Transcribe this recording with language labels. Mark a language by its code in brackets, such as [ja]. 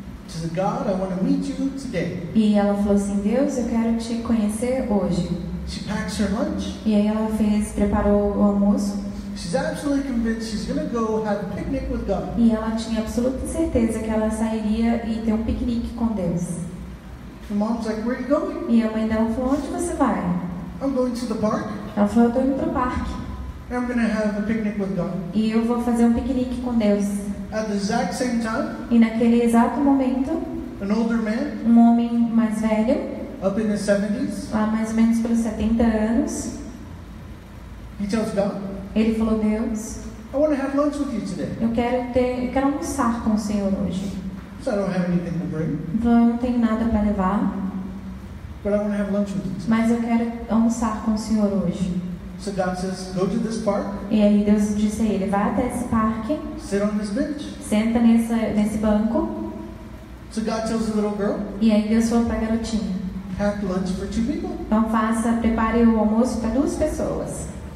[en] She said, "God, I want to meet you today." [pt] E ela falou assim, Deus, eu quero te conhecer hoje. [en] She packs her lunch. [pt] E aí ela fez, preparou o almoço. [en] She's absolutely convinced she's gonna go have a picnic with God. [pt] E ela tinha absoluta certeza que ela sairia e ter um piquenique com Deus. [en] The mom's like, "Where are you going?" [pt] E a mãe dela falou, onde você vai? [en] "I'm going to the park." [pt] Ela falou, eu tô indo pro parque. [en] "I'm gonna have a picnic with God." [pt] E eu vou fazer um piquenique com Deus. [en] At the exact same time, [pt] e naquele exato momento, [en] an older man, [pt] um homem mais velho, [en] up in his 70s, [pt] lá mais ou menos pelos 70 anos, [en] he tells God, [pt] ele falou, Deus, [en] "I want to have lunch with you today." [pt] Eu quero almoçar com o Senhor hoje. [en] "So I don't have anything to bring." [pt] Então eu não tenho nada para levar. [en] "But I want to have lunch with you today." [pt] Mas eu quero almoçar com o Senhor hoje. [en] So God says, "Go to this park." [pt] E aí Deus disse a ele, vai até esse parque. [en] "Sit on this bench." [pt] Senta nesse banco. [en] So God tells the little girl. [pt] E aí Deus falou para a garotinha. [en] "Pack lunch for two people." [pt] Então prepare o almoço para duas pessoas.